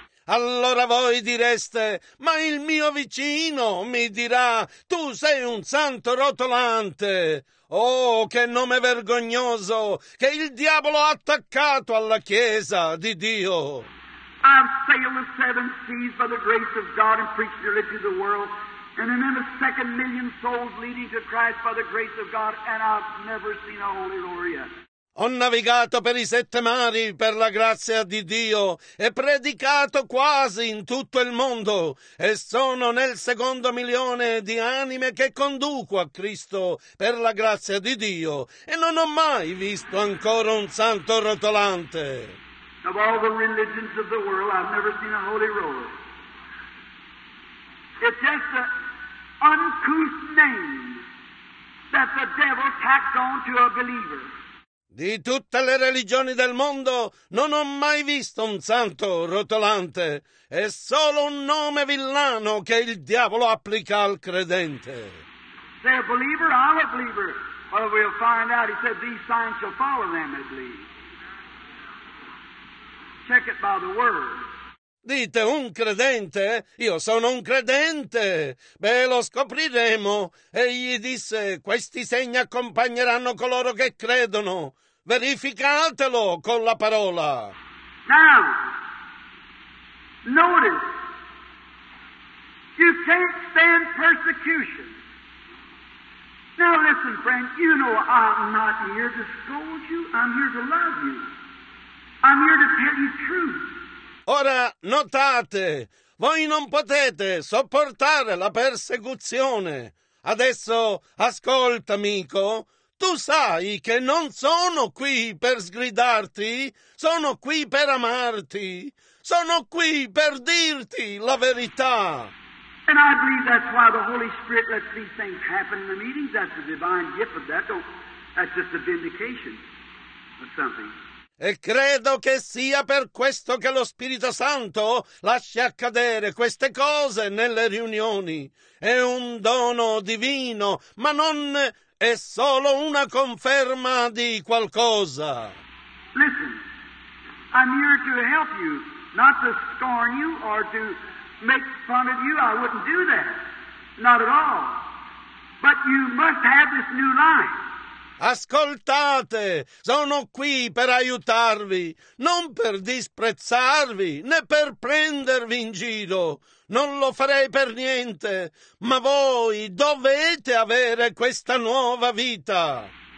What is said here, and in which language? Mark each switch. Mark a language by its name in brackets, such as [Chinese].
[Italian] Allora voi direste, ma il mio vicino mi dirà, tu sei un santo rotolante. Oh, che nome vergognoso che il diavolo ha attaccato alla chiesa di Dio. [English] I've sailed the seven seas by the grace of God and preached the religion to the world. And then a second million souls leading to Christ by the grace of God, and I've never seen a holy roller yet. [Italian] Ho navigato per i sette mari per la grazia di Dio e predicato quasi in tutto il mondo e sono nel secondo milione di anime che conduco a Cristo per la grazia di Dio e non ho mai visto ancora un santo rotolante. [English] Of all the religions of the world, I've never seen a holy roller. It's just an uncouth name that the devil tacked on to a believer. [Italian] Di tutte le religioni del mondo non ho mai visto un santo rotolante. È solo un nome villano che il diavolo applica al credente. [English] Say a believer, I'm a believer. Or we'll find out. He said, these signs shall follow them, I believe. Check it by the word. [Italian] Dite, un credente? Io sono un credente. Beh, lo scopriremo. Egli disse, questi segni accompagneranno coloro che credono. Verificatelo con la parola. [English] Now, notice, you can't stand persecution. Now listen, friend, you know I'm not here to scold you. I'm here to love you. I'm here to tell you truth. [Italian] Ora notate, voi non potete sopportare la persecuzione. Adesso ascolta, amico, tu sai che non sono qui per sgridarti, sono qui per amarti, sono qui per dirti la verità. [English] And I believe that's why the Holy Spirit lets these things happen in the meetings. That's the divine gift of that. That's just a vindication of something. [Italian] E credo che sia per questo che lo Spirito Santo lascia accadere queste cose nelle riunioni. È un dono divino, ma non è solo una conferma di qualcosa. [English] Listen, I'm here to help you, not to scorn you or to make fun of you. I wouldn't do that, not at all. But you must have this new life. [Italian] Ascoltate, sono qui per aiutarvi, non per disprezzarvi né per prendervi in giro. Non lo farei per niente, ma voi dovete avere questa nuova vita.